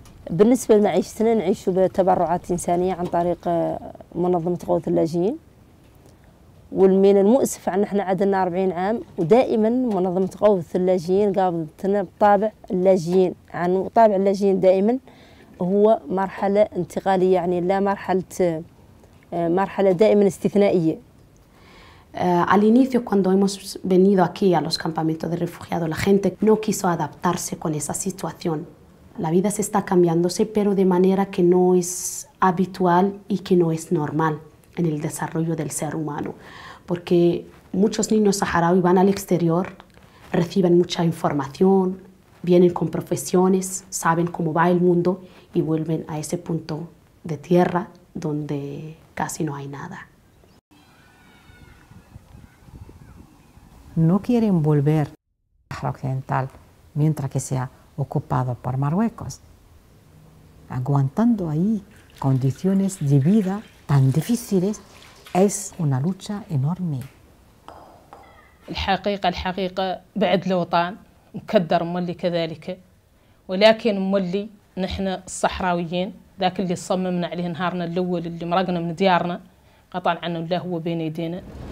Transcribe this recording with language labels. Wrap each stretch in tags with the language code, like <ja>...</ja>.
<ar>بالنسبة لمعيشتنا نعيش بتبرعات إنسانية عن طريق منظمة غوث اللاجئين، والمين المؤسف عن احنا عدنا 40 عام ودائما منظمة غوث اللاجئين قابلتنا بطابع اللاجئين، عن طابع اللاجئين دائما هو مرحلة انتقالية، يعني لا مرحلة دائما استثنائية.</ar> <es>Al inicio, cuando hemos venido aquí a los campamentos de refugiados, la gente no quiso adaptarse con esa situación. La vida se está cambiándose, pero de manera que no es habitual y que no es normal en el desarrollo del ser humano. Porque muchos niños saharaui van al exterior, reciben mucha información, vienen con profesiones, saben cómo va el mundo y vuelven a ese punto de tierra donde casi no hay nada. No quieren volver al Sahara Occidental mientras que sea ocupado por Marruecos, aguantando ahí condiciones de vida tan difíciles, es una lucha enorme.</es> <ar>الحقيقة بعد الوطن مكدر مولي كذلك، ولكن مولي نحن الصحراويين ذاك اللي صممنا عليه نهارنا الأول اللي مرقنا من ديارنا قطعا عنه الله هو بين يدينا.</ar>